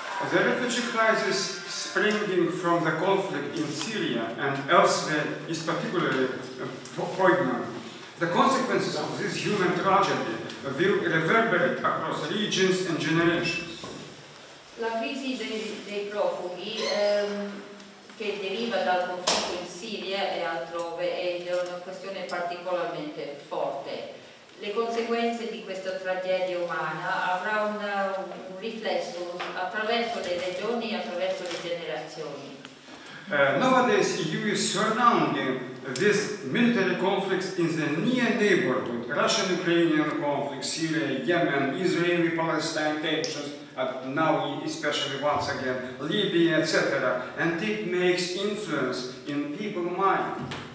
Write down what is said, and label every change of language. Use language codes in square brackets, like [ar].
[en] The refugee crisis springing from the conflict in Syria and elsewhere is particularly poignant. The consequences of this human tragedy will reverberate across regions and generations. [it] La crisi dei profughi che deriva dal conflitto in Siria e altrove è una questione particolarmente forte. Le conseguenze di questa tragedia umana avrà un riflesso attraverso le regioni e attraverso le generazioni. [en] Nowadays, the EU is surrounding these military conflicts in the near neighborhood, Russian-Ukrainian conflicts, Syria, Yemen, Israeli-Palestine tensions, now especially once again Libya, etc., and it makes influence in people's mind.